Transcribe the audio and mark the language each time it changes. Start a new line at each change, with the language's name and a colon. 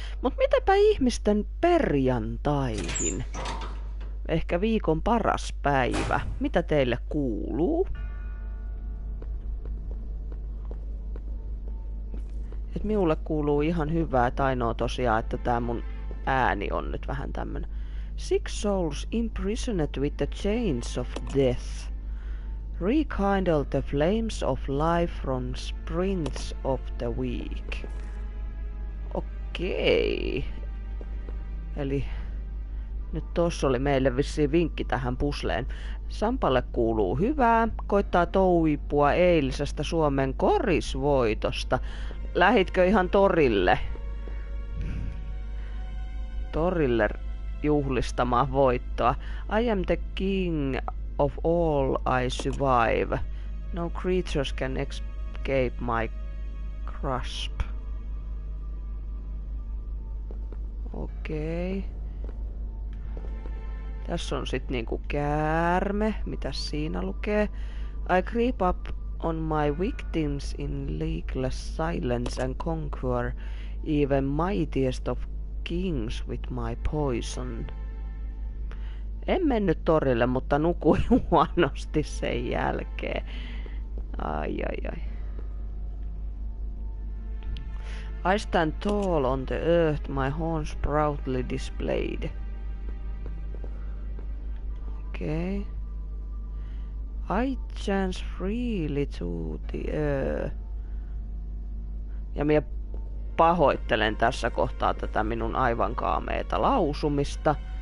Finnish: Mutta mitäpä ihmisten perjantaihin? Ehkä viikon paras päivä. Mitä teille kuuluu? Et minulle kuuluu ihan hyvää, että ainoa tosiaan, että tämä mun ääni on nyt vähän tämmönen.
English: Six souls imprisoned with the chains of death. Rekindle the flames of life from sprints of the week.
Finnish: Okei. Eli nyt tossa oli meille vissiin vinkki tähän pusleen. Sampalle kuuluu hyvää. Koittaa touipua eilisestä Suomen korisvoitosta. Lähitkö ihan torille? Torille juhlistamaan voittoa.
English: I am the king of all I survive. No creatures can escape my grasp.
Finnish: Okei. Tässä on sit niinku käärme, mitä siinä lukee.
English: I creep up on my victims in legless silence and conquer even mightiest of kings with my poison.
Finnish: En mennyt torille, mutta nukuin huonosti sen jälkeen. Ai ai ai.
English: I stand tall on the earth, my horns proudly displayed.
Finnish: Okei.
English: Okay. I chance freely to the
Finnish: Ja minä pahoittelen tässä kohtaa tätä minun aivan kaameeta lausumista.